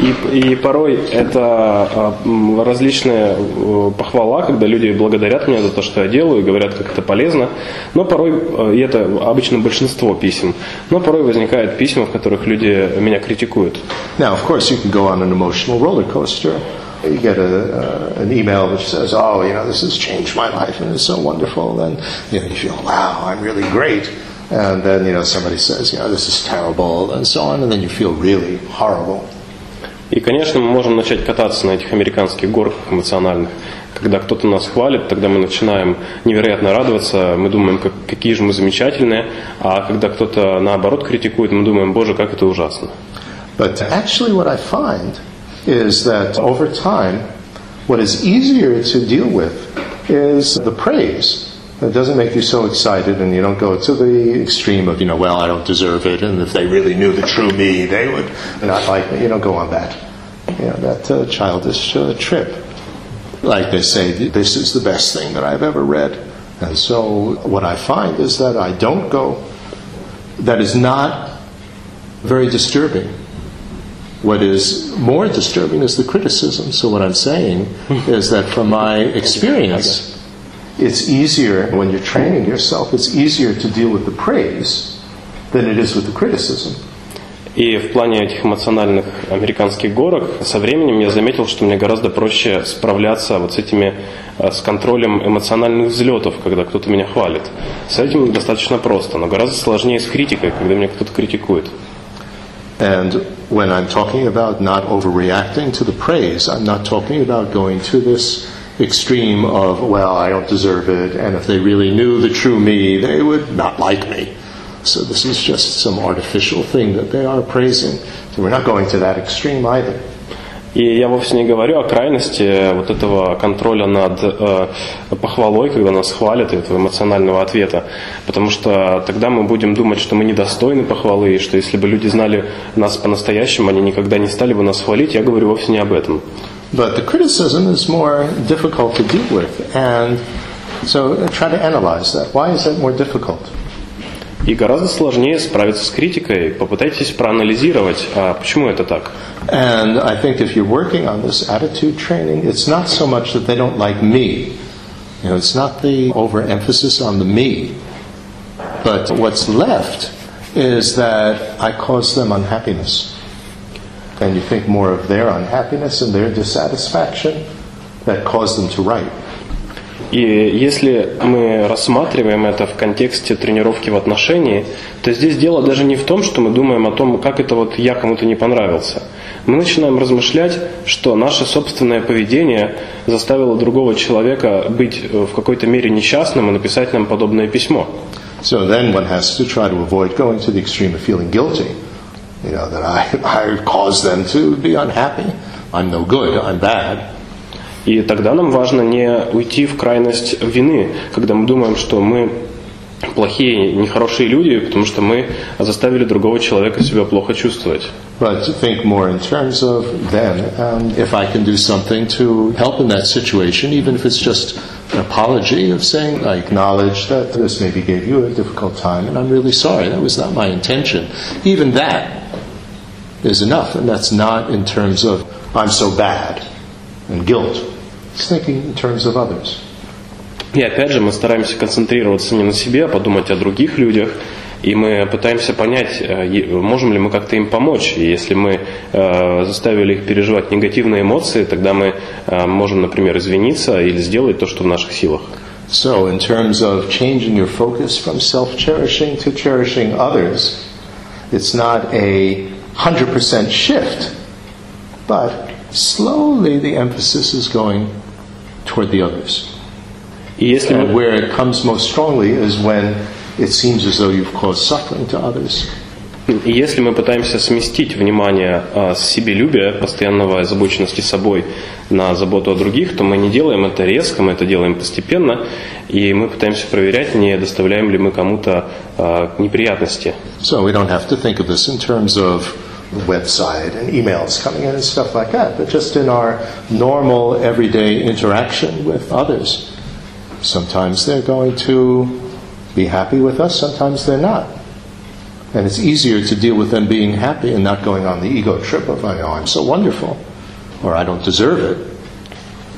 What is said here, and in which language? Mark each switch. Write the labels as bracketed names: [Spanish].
[Russian] И порой это различная похвала, когда люди благодарят меня за то, что я делаю, и говорят, как это полезно. Но порой, и это обычно большинство писем, но порой возникают письма, в которых люди меня критикуют. [English] Now, of course, you can go on an emotional roller coaster. You get an email which says, oh, you know, this has changed my life and it's so wonderful. And, you know, you feel, wow, I'm really great. And then, you know, somebody says, you know, this is terrible and so on. And then you feel really horrible. [Russian] И, конечно, мы можем начать кататься на этих американских горках эмоциональных. Когда кто-то нас хвалит, тогда мы начинаем невероятно радоваться. Мы думаем, какие же мы замечательные. А когда кто-то, наоборот, критикует, мы думаем, боже, как это ужасно. [English] But actually what I find is that over time, what is easier to deal with is the praise. It doesn't make you so excited and you don't go to the extreme of, you know, well, I don't deserve it, and if they really knew the true me, they would not like me. You don't go on that. You know, that childish trip. like they say, this is the best thing that I've ever read. And so what I find is that I don't go, that is not very disturbing. What is more disturbing is the criticism. So what I'm saying is that from my experience, it's easier, when you're training yourself, it's easier to deal with the praise than it is with the criticism. [Russian] И в плане этих эмоциональных американских горок, со временем я заметил, что мне гораздо проще справляться вот с этими, с контролем эмоциональных взлетов, когда кто-то меня хвалит. С этим достаточно просто, но гораздо сложнее с критикой, когда меня кто-то критикует. [English] And when I'm talking about not overreacting to the praise, I'm not talking about going to this extreme of, well, I don't deserve it, and if they really knew the true me, they would not like me. So this is just some artificial thing that they are praising. So we're not going to that extreme either. [Russian] И я вовсе не говорю о крайности вот этого контроля над похвалой, когда нас хвалят, этого эмоционального ответа, потому что тогда мы будем думать, что мы недостойны похвалы, и что если бы люди знали нас по-настоящему, они никогда не стали бы нас хвалить. Я говорю вовсе не об этом. [English] But the criticism is more difficult to deal with, and so try to analyze that. Why is that more difficult? [Russian] И гораздо сложнее справиться с критикой. Попытайтесь проанализировать, а почему это так. [English] And I think if you're working on this attitude training, it's not so much that they don't like me. You know, it's not the overemphasis on the me. But what's left is that I cause them unhappiness. And you think more of their unhappiness and their dissatisfaction that caused them to write. [Russian] И если мы рассматриваем это в контексте тренировки в отношении, то здесь дело даже не в том, что мы думаем о том, как это вот я кому-то не понравился. Мы начинаем размышлять, что наше собственное поведение заставило другого человека быть в какой-то мере несчастным и написать нам подобное письмо. [English] So then one has to try to avoid going to the extreme of feeling guilty. You know, that I caused them to be unhappy. I'm no good, I'm bad. [Russian] И тогда нам важно не уйти в крайность вины, когда мы думаем, что мы плохие, нехорошие люди, потому что мы заставили другого человека себя плохо чувствовать. [English] But think more in terms of then, if I can do something to help in that situation, even if it's just an apology of saying, I acknowledge that this maybe gave you a difficult time, and I'm really sorry, that was not my intention. Even that is enough, and that's not in terms of, I'm so bad. And guilt. It's thinking in terms of others. [Russian] И опять же, мы стараемся концентрироваться не на себе, а подумать о других людях, и мы пытаемся понять, можем ли мы как-то им помочь. И если мы заставили их переживать негативные эмоции, тогда мы можем, например, извиниться или сделать то, что в наших силах. [English] So, in terms of changing your focus from self-cherishing to cherishing others, it's not a 100% shift, but slowly the emphasis is going toward the others. And where it comes most strongly is when it seems as though you've caused suffering to others. [Russian] Если мы пытаемся сместить внимание с себелюбия, постоянного озабоченности собой, на заботу о других, то мы не делаем это резко, мы это делаем постепенно, и мы пытаемся проверять, не доставляем ли мы кому-то неприятности. [English] So we don't have to think of this in terms of website and emails coming in and stuff like that, but just in our normal everyday interaction with others. Sometimes they're going to be happy with us, sometimes they're not. And it's easier to deal with them being happy and not going on the ego trip of, oh, I'm so wonderful, or I don't deserve it.